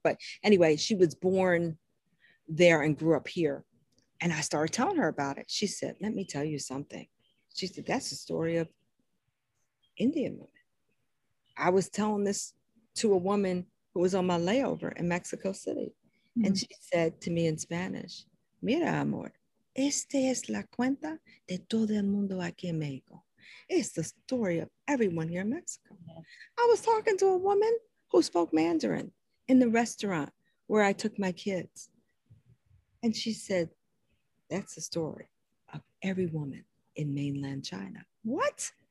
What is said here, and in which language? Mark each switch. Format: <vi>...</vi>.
<en>But anyway, she was born there and grew up here. And I started telling her about it. She said, let me tell you something. She said, that's the story of Indian women. I was telling this to a woman who was on my layover in Mexico City. Mm-hmm. And she said to me in Spanish,</en> <es>mira, amor, esta es la cuenta de todo el mundo aquí en México.</es> <en>It's the story of everyone here in Mexico. I was talking to a woman who spoke Mandarin in the restaurant where I took my kids. And she said, that's the story of every woman in mainland China. What?</en>